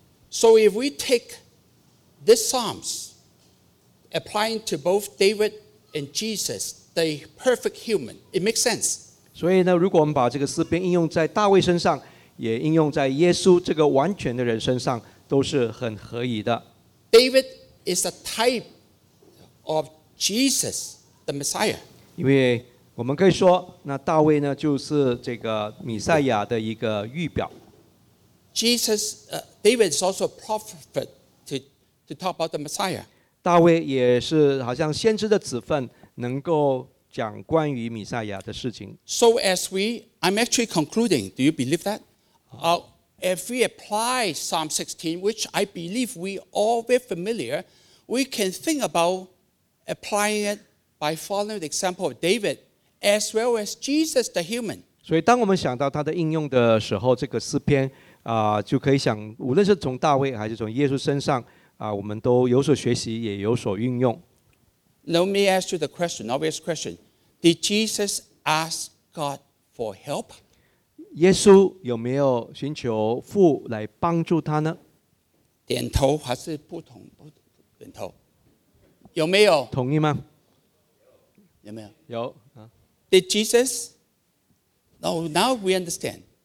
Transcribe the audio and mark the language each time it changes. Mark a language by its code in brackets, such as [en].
[en] So if we take this Psalms applying to both David and Jesus, the perfect human, it makes sense. [zh] 所以呢，如果我们把这个诗篇应用在大卫身上，也应用在耶稣这个完全的人身上，都是很合宜的。 [en] David is a type of Jesus, the Messiah. [zh] 因为我们可以说，那大卫呢，就是这个弥赛亚的一个预表。 [en] Jesus, David is also a prophet to talk about the Messiah. [zh] 大卫也是好像先知的子分，能够讲关于弥赛亚的事情。 [en] So as we, I'm actually concluding, do you believe that? If we apply Psalm 16, which I believe we all very familiar, we can think about applying it by following the example of David, as well as Jesus the human. [zh] 所以当我们想到它的应用的时候，这个诗篇就可以想，无论是从大卫还是从耶稣身上我们都有所学习，也有所运用。 [en] Let me ask you the question, obvious question. Did Jesus ask God for help? [zh] 耶稣有没有寻求父来帮助他呢？点头还是不同？不点头。有没有？同意吗？有没有？有。 [en] Did Jesus? No, now we understand.